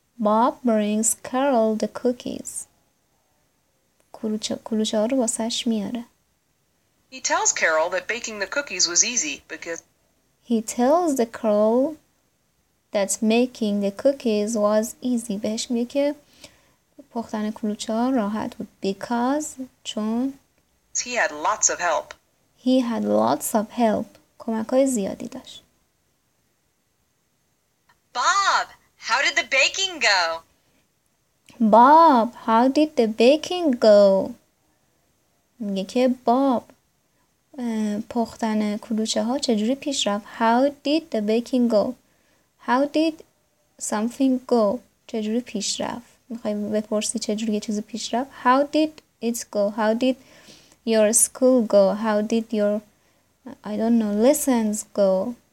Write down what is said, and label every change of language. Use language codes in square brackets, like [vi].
[en] Bob brings Carol the cookies. [fa] کلوچه رو واسش میاره. [en] He tells Carol that baking the cookies was easy because... He tells the Carol that making the cookies was easy. [fa] بهش میگه که پختن کلوچه ها راحت بود. [en] Because... [fa] چون... [en] He had lots of help. He had lots of help. [fa] کمک‌های زیادی داشت. [en] Bob, how did the baking go? Bob, how did the baking go? [fa] میگه که باب پختن کلوچه‌ها چجوری پیش رفت؟ [en] How did the baking go? How did something go? [fa] چجوری پیش رفت؟ می‌خوای بپرسی چجوری یه چیزی پیش رفت؟ [en] How did it go? How did your school go? How did your, I don't know, lessons go?